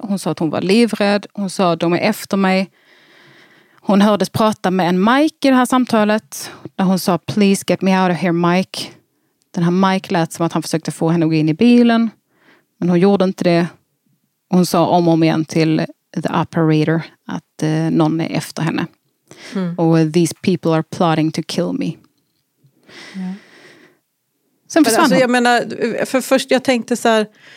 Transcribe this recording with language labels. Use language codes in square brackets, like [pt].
[sv] Hon sa att hon var livrädd. Hon sa att de är efter mig. Hon hördes prata med en Mike i det här samtalet. När hon sa, [en] please get me out of here, Mike. [sv] Den här Mike lät som att han försökte få henne att gå in i bilen. Men hon gjorde inte det. Hon sa om och om igen till the operator att någon är efter henne. Mm. [en] Och these people are plotting to kill me. [sv] Mm. Sen försvann alltså, jag menar, för först jag tänkte så här...